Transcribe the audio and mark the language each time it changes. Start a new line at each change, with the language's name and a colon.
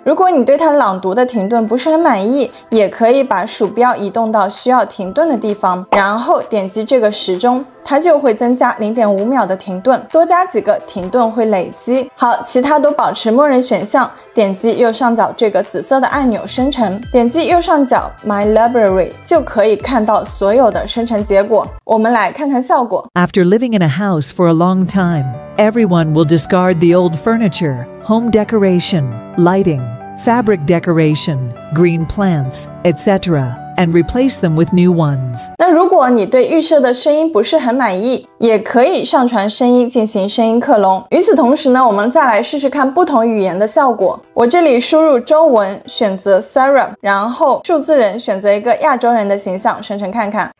Chinese: 如果你对它朗读的停顿不是很满意，也可以把鼠标移动到需要停顿的地方，然后点击这个时钟，它就会增加 0.5 秒的停顿，多加几个停顿会累积。好，其他都保持默认选项，点击右上角这个紫色的按钮生成，点击右上角 My Library 就可以看到所有的生成结果。我们来看看效果。
English: After living in a house for a long time, everyone will discard the old furniture, home decoration, lighting, fabric decoration, green plants, etc. And replace them with new ones.
Chinese: 那如果你对预设的声音不是很满意，也可以上传声音进行声音克隆。与此同时呢，我们再来试试看不同语言的效果。我这里输入中文，选择 Sarah， 然后数字人选择一个亚洲人的形象生成看看。